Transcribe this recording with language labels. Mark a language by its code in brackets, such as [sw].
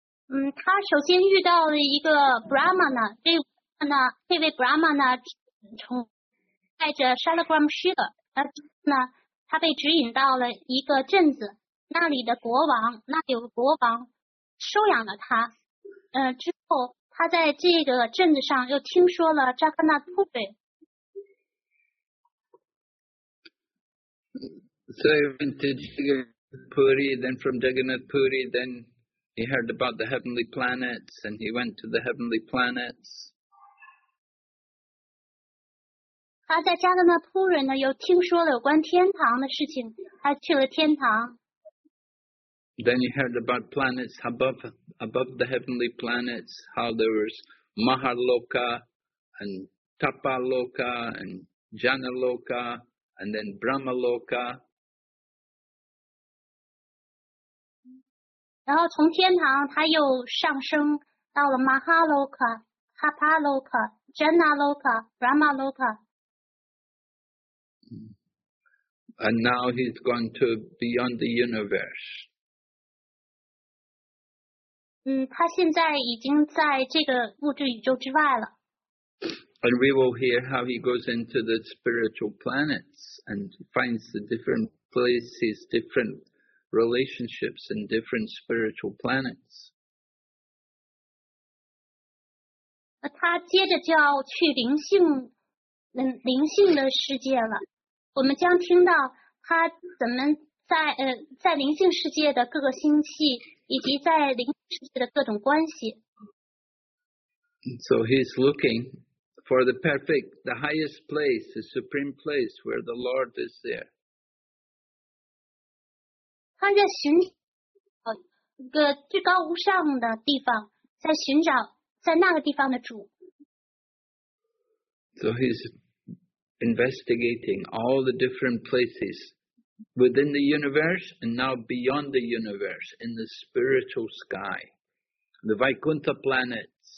[zh] 他首先遇到了一个 Brahmana, 这位 Brahmana 从带着 Shaligram Shila, 他被指引到了一个镇子，那里有个国王收养了他，之后他在这个镇子上又听说了扎克纳普瑞。 [en] So he went to Jagannath Puri, then from Jagannath Puri, then he heard about the heavenly planets, and he went to the heavenly planets. [zh] 他在扎克纳普瑞呢，又听说了有关天堂的事情，他去了天堂。 [en] Then he heard about planets above the heavenly planets, how there was Mahaloka and Tapaloka and Janaloka and then Brahmaloka. [zh] 然后从天堂它又上升到了 Mahaloka, Tapaloka, Janaloka, Brahmaloka. [en] And now he's gone to beyond the universe. [zh] 他现在已经在这个物质宇宙之外了。 [en] And we will hear how he goes into the spiritual planets and finds the different places, different relationships in different spiritual planets. [zh] 他接着就要去灵性的世界了。我们将听到他怎么在灵性世界的各个星系以及在灵性世界的各种关系。 [en] So he's looking... For the perfect, the highest place, the supreme place where the Lord is there. [zh] 他在寻找一个至高无上的地方，在寻找在那个地方的主。 [en] So he's investigating all the different places within the universe and now beyond the universe in the spiritual sky, the Vaikuntha planet.